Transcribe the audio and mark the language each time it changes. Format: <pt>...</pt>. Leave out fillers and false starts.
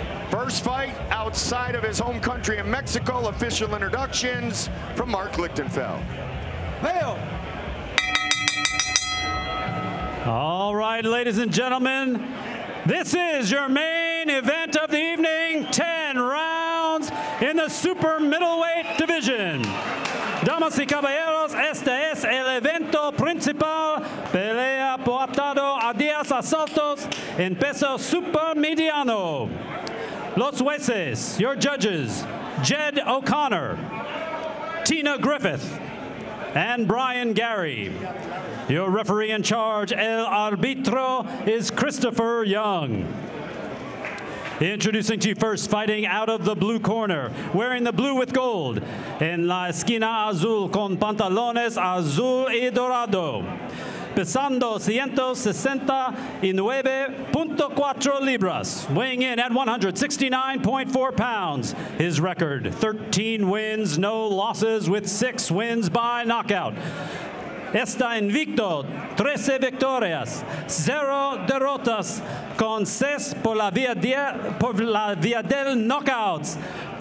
<en>First fight outside of his home country in Mexico. Official introductions from Mark Lichtenfeld. Bail. All right, ladies and gentlemen, this is your main event of the evening. 10 rounds in the super middleweight division.</en> <es>Damas y caballeros, este es el evento principal. Pelea portado a 10 asaltos en peso super mediano.</es> <en>Los jueces, your judges, Jed O'Connor, Tina Griffith, and Brian Gary. Your referee in charge, el arbitro, is Christopher Young. Introducing to you first, fighting out of the blue corner, wearing the blue with gold,</en> <es>en la esquina azul con pantalones azul y dorado, pesando 169.4 libras,</es> <en>weighing in at 169.4 pounds. His record, 13 wins, no losses, with 6 wins by knockout.</en> <es>Está invicto, 13 victorias, 0 derrotas, con 6 por la vía del knockouts.</es>